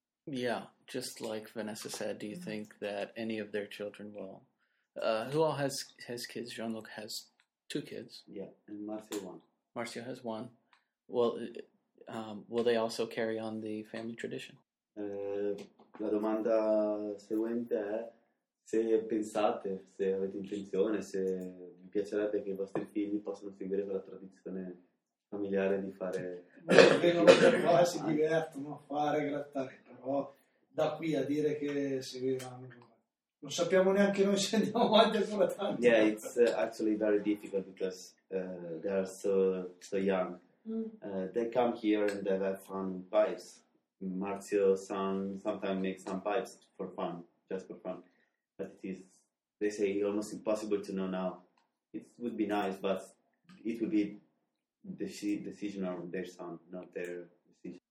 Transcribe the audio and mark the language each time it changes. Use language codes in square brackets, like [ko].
[en] Yeah, just like Vanessa said, do you mm-hmm. think that any of their children will... who all has kids? Jean-Luc has two kids. Yeah, and Marcio one. Marcio has one. Well, will they also carry on the family tradition? [it] La domanda seguente è se pensate, se avete intenzione, se vi piacerebbe che i vostri figli possano seguire quella tradizione familiare di fare... Vengono per qua e si divertono a fare, grattare, però da qui a dire che seguiranno... Non sappiamo neanche noi se andiamo avanti ancora tanto. [en] Yeah, it's actually very difficult because they are so young. Mm. They come here and they have fun pipes. Marzio's son sometimes makes some pipes for fun, just for fun. But it is, they say, almost impossible to know now. It would be nice, but it would be the decision of their son, not their decision.